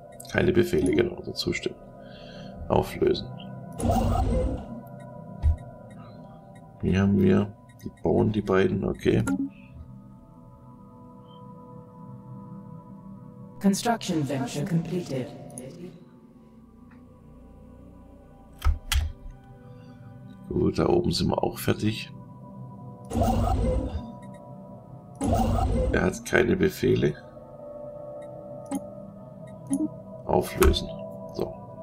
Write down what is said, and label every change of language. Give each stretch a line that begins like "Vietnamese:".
German: Keine Befehle, genau, oder zustimmen. Auflösen. Hier haben wir, die bauen die beiden, okay.
English: Construction venture completed.
German: Gut, da oben sind wir auch fertig. Er hat keine Befehle. Auflösen. So.